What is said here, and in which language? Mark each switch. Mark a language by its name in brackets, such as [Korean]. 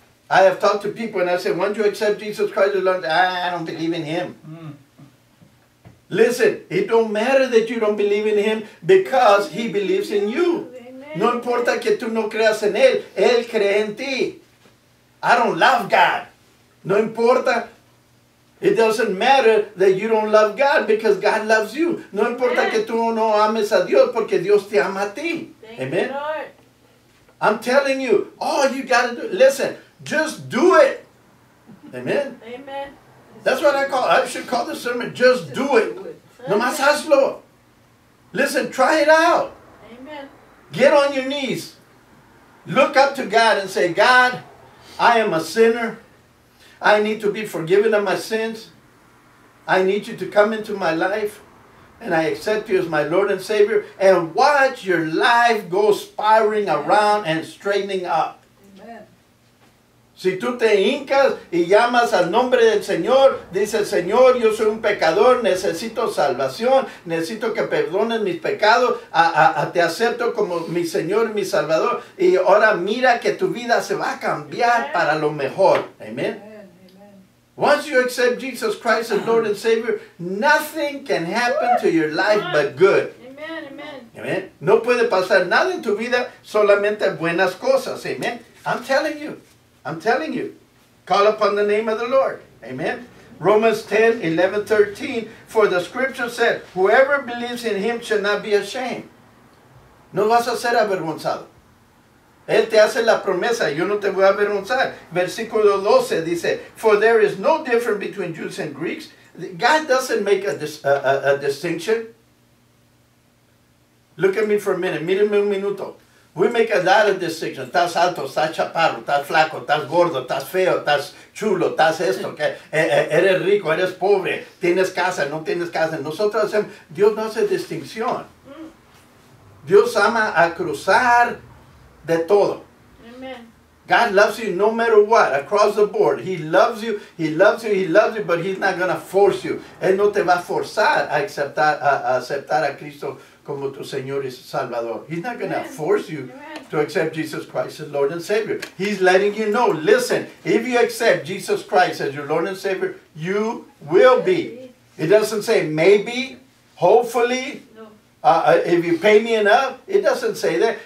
[English] I have talked to people and I said, once you accept Jesus Christ as Lord, I don't believe in him. Listen, it don't matter that you don't believe in him because he believes in you. Amen. [Spanish] No importa que tú no creas en él, él cree en ti. [English] I don't love God. [Spanish] No importa. [English] It doesn't matter that you don't love God because God loves you. [Spanish] No importa [English] Amen. [Spanish] Que tú no ames a Dios porque Dios te ama a ti. [English] Thank Amen. You, I'm telling you, all you got to do, listen. Just do it. Amen. Amen. That's what I call, I should call the sermon, just do it. [Spanish] Nomás hazlo. [English] Listen, try it out. Amen. Get on your knees. Look up to God and say, God, I am a sinner. I need to be forgiven of my sins. I need you to come into my life. And I accept you as my Lord and Savior. And watch your life go spiraling around and straightening up. [Spanish] Si tú te hincas y llamas al nombre del Señor, dice, Señor, yo soy un pecador, necesito salvación, necesito que perdones mis pecados, te acepto como mi Señor, mi Salvador, y ahora mira que tu vida se va a cambiar Para lo mejor. Amen. [English] Amen. Once you accept Jesus Christ as Lord and Savior, nothing can happen to your life but good. Amen. Amen. [Spanish] No puede pasar nada en tu vida, solamente buenas cosas. [English] Amen. I'm telling you. I'm telling you, call upon the name of the Lord. Amen. Romans 10, 11, 13. For the scripture said, whoever believes in him shall not be ashamed. [Spanish] No vas a ser avergonzado. Él te hace la promesa, yo no te voy a avergonzar. Versículo 12 dice, [English] for there is no difference between Jews and Greeks. God doesn't make a distinction. Look at me for a minute. [Spanish] Mírenme un minuto. [English] We make a lot of decisions. [Spanish] Estás alto, estás chaparro, estás flaco, estás gordo, estás feo, estás chulo, estás esto. Okay? Eres rico, eres pobre, tienes casa, no tienes casa. Nosotros hacemos, Dios no hace distinción. Dios ama a cruzar de todo. [English] Amen. God loves you no matter what, across the board. He loves you, he loves you, he loves you, but he's not going to force you. [Spanish] Él no te va a forzar a aceptar a Cristo como tu Señor y Salvador. [English] He's not going to force you Amen. To accept Jesus Christ as Lord and Savior. He's letting you know, listen, if you accept Jesus Christ as your Lord and Savior, you will be. It doesn't say maybe, hopefully, if you pay me enough. It doesn't say that.